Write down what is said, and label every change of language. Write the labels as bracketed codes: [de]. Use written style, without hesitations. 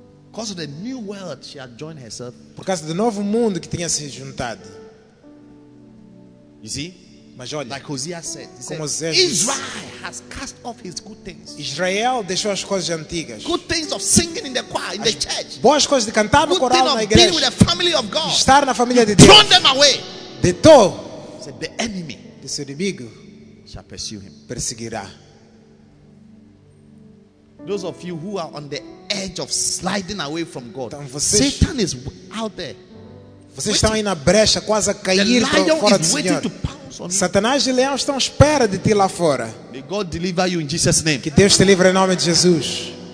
[en] Because of the new world she had joined herself. [pt] Por causa do novo mundo que tinha se juntado. [en] You see? [pt] Mas olha, [en] like Hosea said, he [pt] como [en] said, Israel has cast off his good things. [pt] Israel deixou as coisas antigas. [en] Good things of singing in the choir, in the church. [pt] Boas coisas de cantar no coral na igreja. [en] Being with the family of God. [pt] Estar na família [en] he [pt] de Deus. [en] Thrown them away. [pt] Deitou. [en] Said the enemy. [pt] De seu inimigo. [en] Shall pursue him. [pt] Perseguirá. [en] Those of you who are on the edge of sliding away from God. [pt] Então vocês, [en] Satan is out there. [pt] Vocês estão aí na brecha, quase a cair fora do Senhor. Satanás e leão estão à espera de ti lá fora. [en] May God deliver you in Jesus' name. [pt] Que Deus te livre em nome de Jesus.